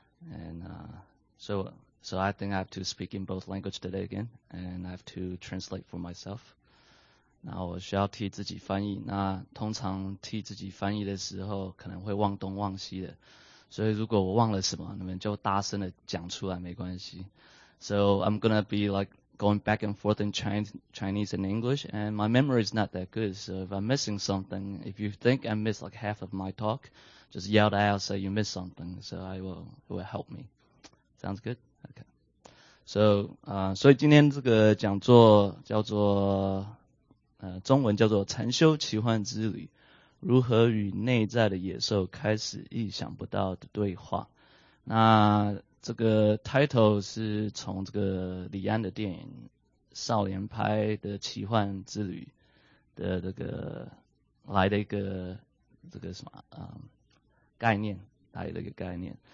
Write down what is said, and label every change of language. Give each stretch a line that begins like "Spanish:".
English: And so I think I have to speak in both languages today again, and I have to translate for myself.
Chinese: 那我需要替自己翻译。那通常替自己翻译的时候，可能会忘东忘西的。所以如果我忘了什么，你们就大声的讲出来没关系。
English: So I'm gonna be like going back and forth in Chinese and English, and my memory is not that good. So if I'm missing something, if you think I missed like half of my talk, just yell that out, say you missed something. So it will help me. Sounds good? Okay.
Chinese: So 今天这个讲座叫做中文叫做禅修奇幻之旅。如何与内在的野兽开始意想不到的对话？那这个 title 是从这个李安的电影《少年派的奇幻之旅》的这个来的一个这个什么概念，来的一个概念。